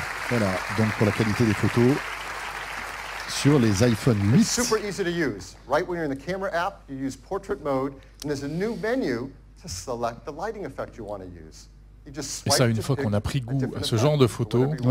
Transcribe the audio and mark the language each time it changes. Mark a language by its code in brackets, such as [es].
[fr] Voilà, donc pour la qualité des photos sur les iPhone 8. [en] It's super easy to use. Right when you're in the camera app, you use portrait mode, and there's a new menu to select the lighting effect you want to use. [fr] Et ça, une fois qu'on a pris goût à ce genre de photos,